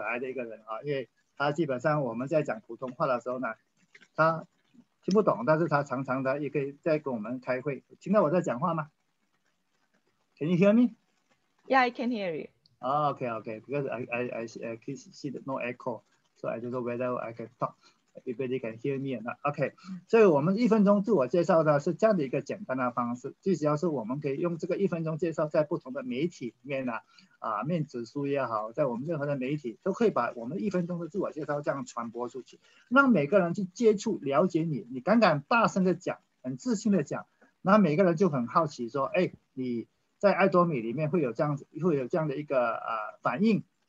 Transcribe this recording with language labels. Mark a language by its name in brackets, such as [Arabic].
[English] don't know， [Chinese] OK，精华，已经做了精华， [English] very good，in Chinese， [Chinese] 精彩，精彩，精彩，啊，精彩， [English] excellent，excellent， [Chinese] 啊，OK，OK，excellent，啊，我们的上线那个南慧珍南老师呢是非常可爱的一个人啊，因为。他基本上我们在讲普通话的时候呢，他听不懂，但是他常常的也可以在跟我们开会。听到我在讲话吗 ？ [English] Can you hear me? Yeah, I can hear you. Oh, okay, okay. Because I can see the no echo, so I don't know whether I can talk. Everybody can hear me or not. Okay. [Chinese] 所以我们1分钟自我介绍呢，是这样的一个简单的方式。最主要是我们可以用这个1分钟介绍，在不同的媒体里面啊，面子书也好，在我们任何的媒体都可以把我们1分钟的自我介绍这样传播出去，让每个人去接触了解你。你敢敢大声的讲，很自信的讲，那每个人就很好奇说，哎，你在爱多美里面会有这样的一个反应。